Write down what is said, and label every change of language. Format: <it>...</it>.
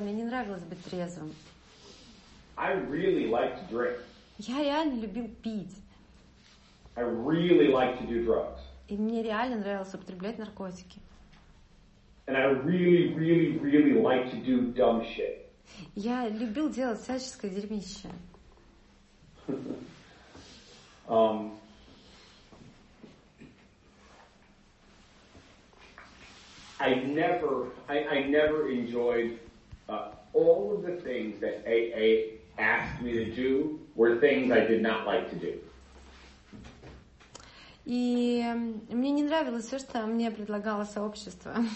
<ru>Мне не нравилось быть трезвым.</ru> <en>I really liked to drink.</en> <ru>Я реально любил пить.</ru> <en>I really liked to do drugs.</en> <ru>И мне реально нравилось употреблять наркотики.</ru> <en>And I really, really, really liked to do dumb shit.</en> <ru>Я любил делать всяческое дерьмище.</ru> <en>I never enjoyed all of the things that AA asked me to do were things I did not like to do.</en> <ru>И мне не нравилось все, что мне предлагало сообщество.</ru>